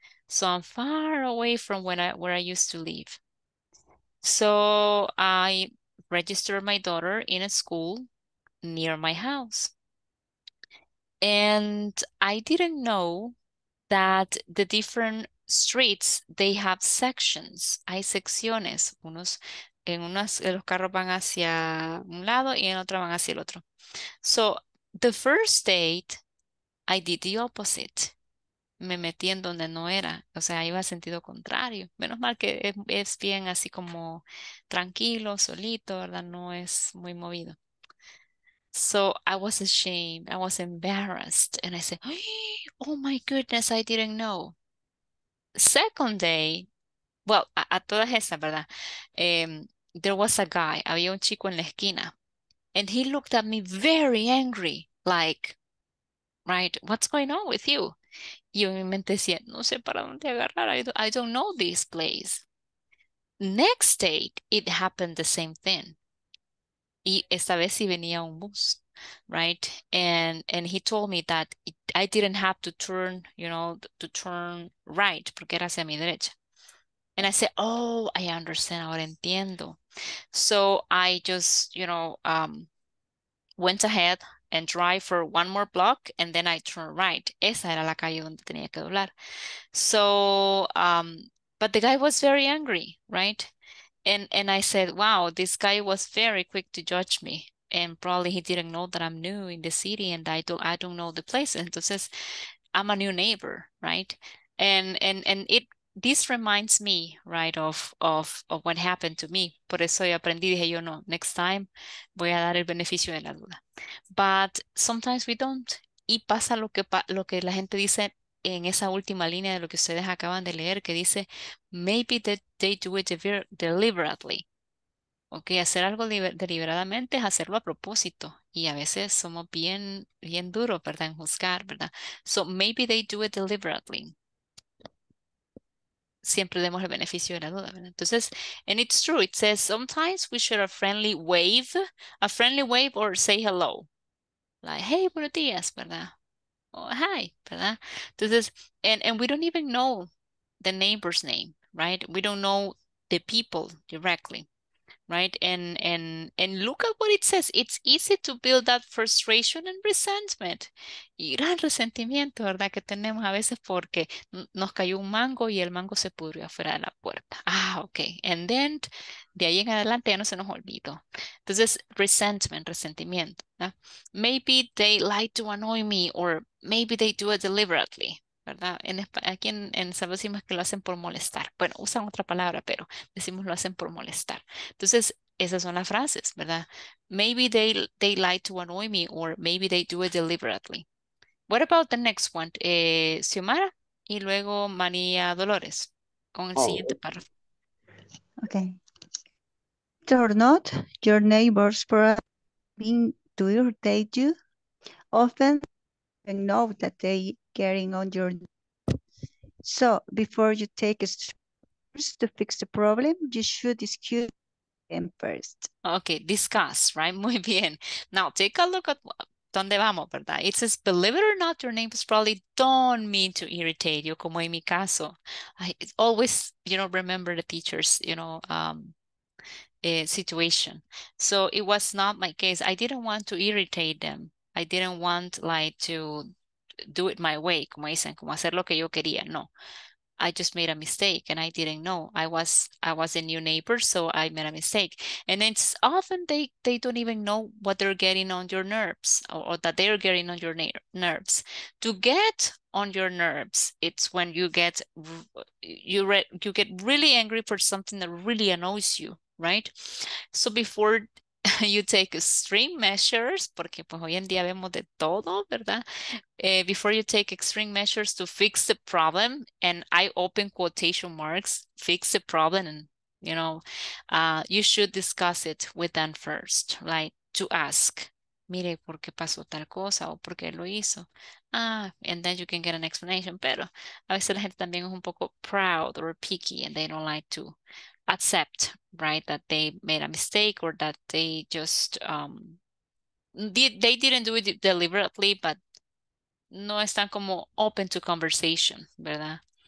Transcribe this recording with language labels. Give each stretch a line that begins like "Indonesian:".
English: So I'm far away from where I used to live. So I registered my daughter in a school near my house. And I didn't know that the different streets, they have sections.
Spanish: Hay secciones. Unos en unas, los carros van hacia un lado y en otra van hacia el otro.
English: So the first date, I did the opposite.
Spanish: Me metí en donde no era. O sea, iba a sentido contrario. Menos mal que es bien así como tranquilo, solito, ¿verdad? No es muy movido.
English: So I was ashamed. I was embarrassed. And I said, oh my goodness, I didn't know. Second day, well,
Spanish: a todas esas, ¿verdad?
English: There was a guy.
Spanish: Había un chico en la esquina.
English: And he looked at me very angry, like, right, what's going on with you?
Spanish: Y en mi mente decía, no sé para dónde agarrar,
English: I don't know this place. Next date, it happened the same thing.
Spanish: Y esta vez sí venía un bus, right?
English: And he told me that I didn't have to turn, you know, to turn right,
Spanish: porque era hacia mi derecha.
English: And I said, oh, I understand,
Spanish: ahora entiendo.
English: So I just, you know, went ahead and drive for one more block and then I turn right.
Spanish: Esa era la calle donde tenía que doblar.
English: So, but the guy was very angry, right? And I said, wow, this guy was very quick to judge me. And probably he didn't know that I'm new in the city and I don't know the place. Entonces, I'm a new neighbor, right? And it this reminds me, right, of what happened to me.
Spanish: Por eso yo aprendí, dije yo, no,
English: next time
Spanish: voy a dar el beneficio de la duda.
English: But sometimes we don't.
Spanish: Y pasa lo que la gente dice en esa última línea de lo que ustedes acaban de leer, que dice,
English: maybe they do it deliberately.
Spanish: Ok, hacer algo deliberadamente es hacerlo a propósito. Y a veces somos bien, bien duros, ¿verdad? En juzgar, ¿verdad?
English: So maybe they do it deliberately.
Spanish: Siempre demos el beneficio de la duda, ¿verdad?
English: Entonces, and it's true, it says sometimes we share a friendly wave or say hello. Like, hey,
Spanish: buenos días, ¿verdad?
English: Oh, hi,
Spanish: ¿verdad?
English: Entonces, and we don't even know the neighbor's name, right? We don't know the people directly. Right, and look at what it says. It's easy to build that frustration and resentment.
Spanish: Y gran resentimiento, ¿verdad? Que tenemos a veces porque nos cayó un mango y el mango se pudrió afuera de la puerta.
English: Ah, okay. And then,
Spanish: de ahí en adelante ya no se nos olvidó. Entonces, resentment, resentimiento. ¿Verdad?
English: Maybe they like to annoy me, or maybe they do it deliberately.
Spanish: ¿Verdad? Aquí en Salvador decimos que lo hacen por molestar. Bueno, usan otra palabra, pero decimos lo hacen por molestar. Entonces, esas son las frases, ¿verdad?
English: Maybe they like to annoy me, or maybe they do it deliberately. What about the next one?
Spanish: Xiomara, y luego María Dolores, con el siguiente párrafo.
English: Okay. They're not your neighbors for being to irritate you. Often, they know that they carrying on your so before you take a step to fix the problem, you should discuss them first. Okay, discuss, right?
Spanish: Muy bien.
English: Now take a look at
Spanish: donde vamos, ¿verdad?
English: It says, believe it or not, your neighbors probably don't mean to irritate you,
Spanish: como en mi caso.
English: I always, you know, remember the teacher's, you know, situation. So it was not my case. I didn't want to irritate them. I didn't want like to do it my way,
Spanish: como dicen, como hacer lo que yo quería.
English: No, I just made a mistake and I didn't know. I was a new neighbor, so I made a mistake. And it's often they don't even know what they're getting on your nerves or that they're getting on your nerves. To get on your nerves, it's when you get really angry for something that really annoys you, right? So before you take extreme measures,
Spanish: porque pues hoy en día vemos de todo, ¿verdad?
English: Before you take extreme measures to fix the problem, and I open quotation marks, fix the problem, and, you know, you should discuss it with them first, right? To ask,
Spanish: mire, ¿por qué pasó tal cosa? ¿O por qué lo hizo?
English: Ah, and then you can get an explanation.
Spanish: Pero a veces la gente también es un poco
English: proud or picky, and they don't like to accept, right, that they made a mistake or that they just they didn't do it deliberately, but
Spanish: no están como
English: open to conversation, ¿verdad?